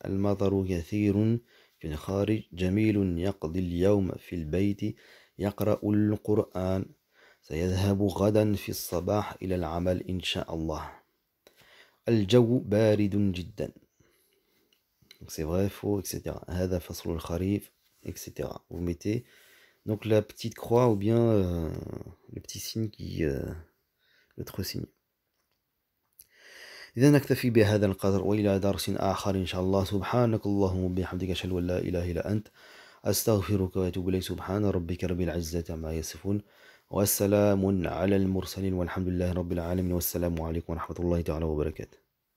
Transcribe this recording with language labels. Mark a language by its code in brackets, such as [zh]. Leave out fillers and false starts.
[ar] المطر كثير في الخارج. جميل يقضي اليوم في البيت يقرأ القرآن. سيذهب غدا في الصباح إلى العمل إن شاء الله. الجو بارد جدا. [fr] C'est vrai, faux, etc. [ar] هذا فصل الخريف, etc. [fr] Vous mettez donc la petite croix ou bien le petit signe qui. L'autre signe. [ar] إذا نكتفي بهذا القدر وإلى درس آخر إن شاء الله. سبحانك اللهم وبحمدك أشهد أن لا إله إلا أنت أستغفرك وأتوب إليك. سبحان ربك رب العزة عما يصفون والسلام على المرسلين والحمد لله رب العالمين والسلام عليكم ورحمة الله تعالى وبركاته.